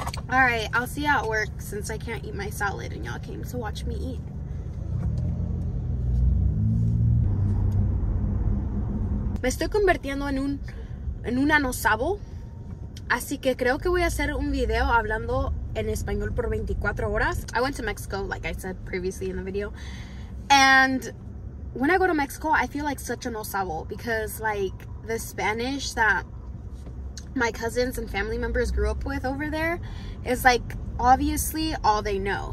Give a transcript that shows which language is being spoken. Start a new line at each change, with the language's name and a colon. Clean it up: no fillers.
English: All right, I'll see you at work since I can't eat my salad and y'all came to watch me eat.
Spanish: Me estoy convirtiendo en un anosabo. Así que creo que voy a hacer un video hablando en español por 24 horas.
English: I went to Mexico, like I said previously in the video. And when I go to Mexico, I feel like such an anosabo because like the Spanish that my cousins and family members grew up with over there is like obviously all they know.